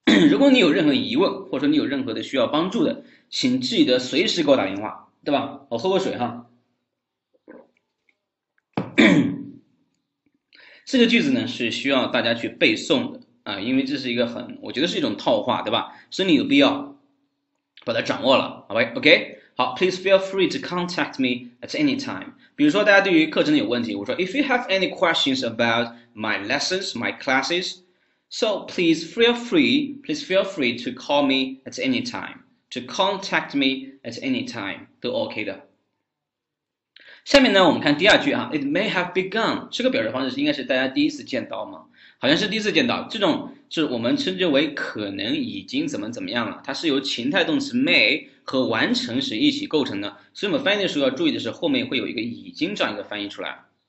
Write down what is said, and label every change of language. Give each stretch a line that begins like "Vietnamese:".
Chinese: 如果你有任何疑问，或者说你有任何的需要帮助的，请记得随时给我打电话，对吧？我喝口水哈。这个句子呢是需要大家去背诵的啊，因为这是一个很，我觉得是一种套话，对吧？所以你有必要。把它掌握了，好吧 ？OK， 好 ，
English: Please feel free to contact me at any time。
Chinese: 比如说，大家对于课程有问题，我说
English: ，If you have any questions about my lessons, my classes, so please feel free to call me at any time。 to contact me at any time 都 OK 的。
Chinese: 下面呢，我们看第二句啊，
English: It may have begun
Chinese: 这个表示方式应该是大家第一次见到吗？好像是第一次见到，这种是我们称之为可能已经怎么怎么样了，它是由情态动词 may 和完成时一起构成的，所以我们翻译的时候要注意的是后面会有一个已经这样一个翻译出来。